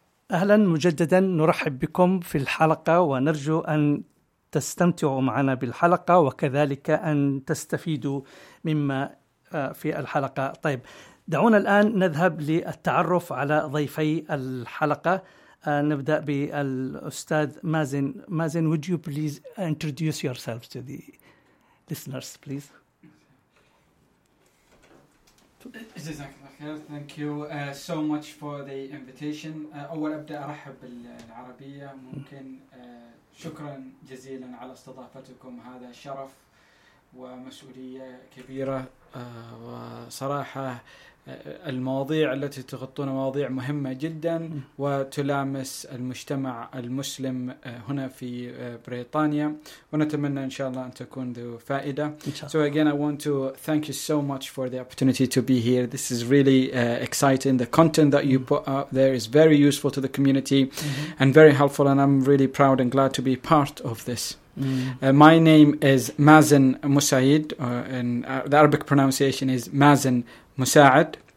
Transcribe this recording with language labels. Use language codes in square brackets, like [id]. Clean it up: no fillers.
[ar] أهلا مجددا، نرحب بكم في الحلقة ونرجو أن تستمتعوا معنا بالحلقة وكذلك أن تستفيدوا مما في الحلقة. طيب، دعونا الآن نذهب للتعرف على ضيفي الحلقة. نبدأ بالأستاذ مازن. [en] مازن، would you please introduce yourself to the listeners, please? Thank you so much for the invitation. [ar] أول أبدأ أرحب بالعربية ممكن. شكرا جزيلا على استضافتكم، هذا شرف ومسؤولية كبيرة. وصراحة المواضيع التي تغطون مواضيع مهمة جدا وتلامس المجتمع المسلم هنا في بريطانيا، ونتمنى إن شاء الله أن تكون ذو فائدة. [en] So again, I want to thank you so much for the opportunity to be here. This is really exciting. The content that you put out there is very useful to the community and very helpful, and I'm really proud and glad to be part of this. My name is Mazen Musaid, and the Arabic pronunciation is Mazen Musaad.